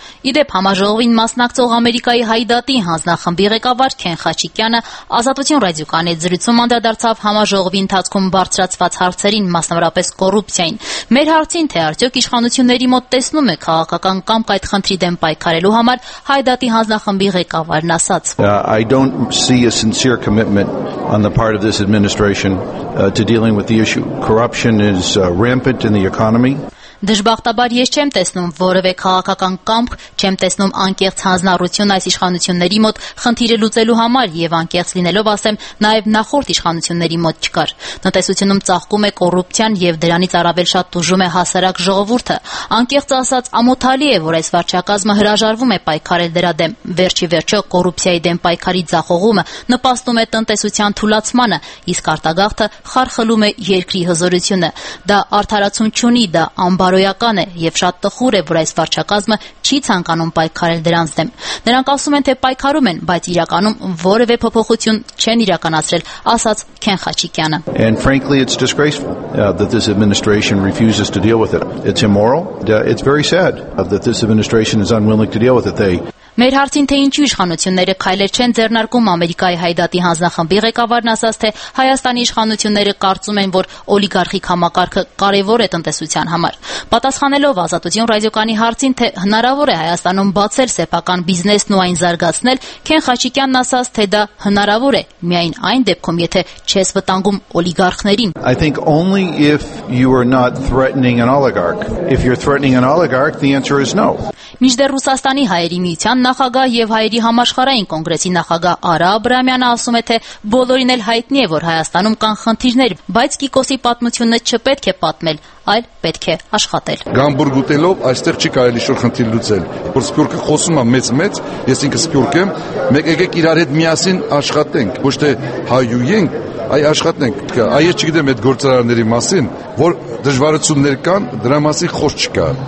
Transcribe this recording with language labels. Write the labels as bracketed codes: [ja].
[hy] Իդեպ համաժողովին մասնակցող Ամերիկայի հայ դատի հանձնախմբի ղեկավար Քեն Խաչիկյանը Ազատություն ռադիոկանալի զրույցում անդրադարձավ համաժողովի ընթացքում բարձրացված հարցերին, մասնավորապես կոռուպցիային։ Մեր հարցին, թե արդյոք իշխանությունների մոտ տեսնում է քաղաքական կամք այդ խնդրի դեմ պայքարելու համար, հայ դատի հանձնախմբի ղեկավարն ասաց. [en] I don't see a sincere commitment on the part of this administration to dealing with the issue. Corruption is rampant in the economy. [hy] Դժբախտաբար ես չեմ տեսնում որևէ քաղաքական կամք, չեմ տեսնում անկեղծ հանձնառություն այս իշխանությունների մոտ խնդիրը լուծելու համար, եւ անկեղծ լինելով ասեմ, նաեւ նախորդ իշխանությունների մոտ չկար։ Տնտեսությունում ծաղկում է կոռուպցիան եւ դրանից առավել շատ դժում է հասարակ ժողովուրդը։ Անկեղծ ասած, ամոթալի է, որ այս վարչակազմը հրաժարվում է պայքարել դրա դեմ։ Վերջի վերջո կոռուպցիայի դեմ պայքարի ձախողումը նպաստում է տնտեսության թուլացմանը, իսկ արտագաղթը խարխլում է երկրի հզորությունը։ Դա արդարացում չունի, դա բարոյական է, եւ շատ տխուր է, որ այս վարչակազմը չի ցանկանում պայքարել դրանց դեմ։ Նրանք ասում են, թե պայքարում են, բայց իրականում որևէ փոփոխություն չեն իրականացրել, ասաց Քեն Խաչիկյանը։ [en] And frankly it's disgraceful that this administration refuses to deal with it. It's immoral. It's very sad that this administration is unwilling to deal with it. They [hy] Մեր հարցին, թե ինչու իշխանությունները քայլեր չեն ձեռնարկում Ամերիկայի հայ դատի հանձնախմբի ղեկավարն ասաց, թե Հայաստանի իշխանությունները կարծում են, որ օլիգարխիկ համակարգը կարևոր է տնտեսության համար։ Պատասխանելով Ազատություն ռադիոկանի հարցին, թե հնարավոր է Հայաստանում բացել սեփական բիզնեսն ու այն զարգացնել, Քեն Խաչիկյանն ասաց, թե դա հնարավոր է միայն այն դեպքում, եթե չես վտանգում օլիգարխներին։ [en] I think only if you are not threatening an oligarch. If you're threatening an oligarch, the answer is no. [hy] Միջդեռ Ռուսաստանի հայերի միության նախագահ եւ հայերի համաշխարհային կոնգրեսի նախագահ Արա Աբրամյանը ասում է, թե բոլորին էլ հայտնի է, որ Հայաստանում կան խնդիրներ, բայց Կիկոսի պատմությունը չպետք է պատմել, այլ պետք է աշխատել։ Գամբուրգ ուտելով այստեղ չի կարելի շոր խնդիր լուծել։ Որ Սպյուրքը խոսում է մեծ-մեծ, ես ինքս Սպյուրք եմ, մեկ եկեք իրար հետ միասին աշխատենք, ոչ թե հայ ու ենք, այ աշխատենք։ Այ ես չգիտեմ այդ գործարանների մասին, որ դժվարություններ կան, դրա մասին խոսք չկա,